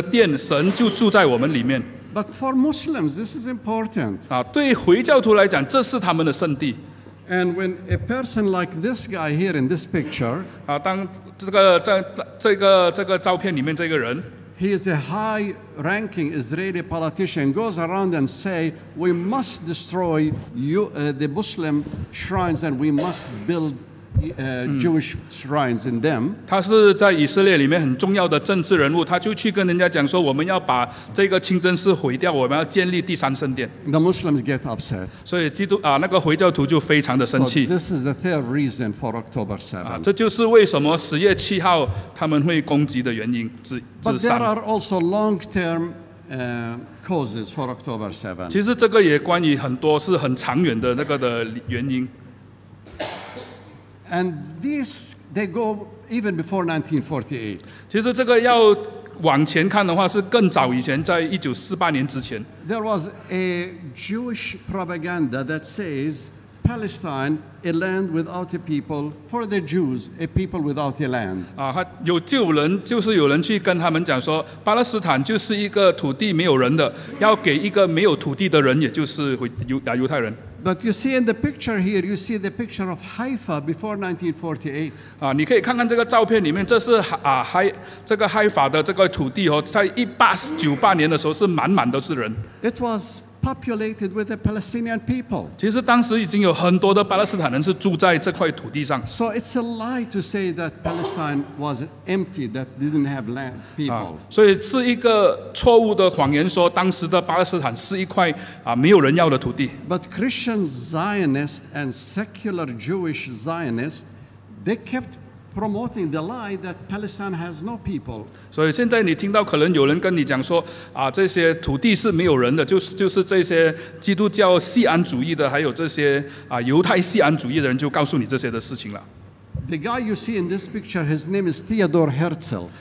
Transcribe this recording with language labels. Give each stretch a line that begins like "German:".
Chinese: 所以当保罗告诉我们，我们就是圣灵的殿，神就住在我们里面。
English: But for Muslims, this is important.
Chinese: 对回教徒来讲，这是他们的圣地。
English: And when a person like this guy here in this picture,
Chinese: 当这个照片里面这个人。
English: He is a high-ranking Israeli politician. Goes around and say, "We must destroy the Muslim shrines, and we must build Jewish shrines in them.
Chinese: 他是在以色列里面很重要的政治人物，他就去跟人家讲说，我们要把这个清真寺毁掉，我们要建立第三圣殿。
English: The Muslims get upset.
Chinese: 所以基督啊，那个回教徒就非常的生气。
English: So、this is the third reason for October 7. 啊，
Chinese: 这就是为什么十月七号他们会攻击的原因之三。
English: But there are also long-term causes for October 7.
Chinese: 其实这个也关于很多是很长远的那个的原因。
English: And these they go even before 1948.
Chinese: 其实这个要往前看的话，是更早以前，在1948年之前。
English: There was a Jewish propaganda that says Palestine, a land without a people, for the Jews, a people without a land.
Chinese: 啊，有就人，就是有人去跟他们讲说，巴勒斯坦就是一个土地没有人的，要给一个没有土地的人，也就是犹太人。
English: But you see in the picture here, you see the picture of Haifa before 1948.
Chinese: 啊，你可以看看这个照片里面，这是啊海这个 Haifa 的这个土地哦，在1898年的时候是满满都是人。
English: It was populated with the Palestinian people.
Chinese: 其实当时已经有很多的巴勒斯坦人是住在这块土地上。
English: So it's a lie to say that Palestine was empty, that didn't have land people.
Chinese: 所以是一个错误的谎言，说当时的巴勒斯坦是一块啊没有人要的土地。
English: But Christian Zionists and secular Jewish Zionists, they kept promoting the lie that Palestine has no people.
Chinese: 所以现在你听到可能有人跟你讲说，啊，这些土地是没有人的，就是这些基督教锡安主义的，还有这些啊犹太锡安主义的人，就告诉你这些的事情了。
English: The guy you see in this picture, his name is Theodor Herzl.